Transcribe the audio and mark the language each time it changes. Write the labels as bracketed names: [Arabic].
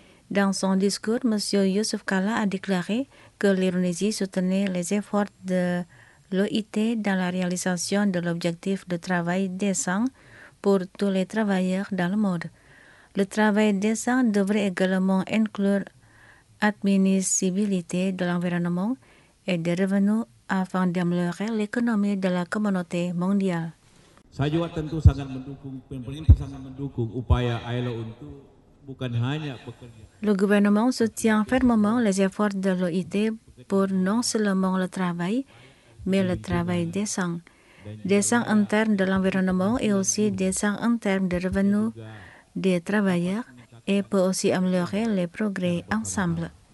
[French] Dans son discours, M. Yusuf Kalla a déclaré que l'Indonésie soutenait les efforts de l'OIT dans la réalisation de l'objectif de travail décent pour tous les travailleurs dans le monde. Le travail décent devrait également inclure l'admissibilité de l'environnement et des revenus afin d'améliorer l'économie de la communauté mondiale. [Indonesian] Saya juga tentu sangat mendukung, pemerintah sangat mendukung upaya ILO untuk bukan hanya bekerja. [French] Le gouvernement soutient fermement les efforts de l'OIT pour non seulement le travail, mais le travail décent. Décent en termes de l'environnement et aussi décent en termes de revenus des travailleurs et peut aussi améliorer les progrès ensemble.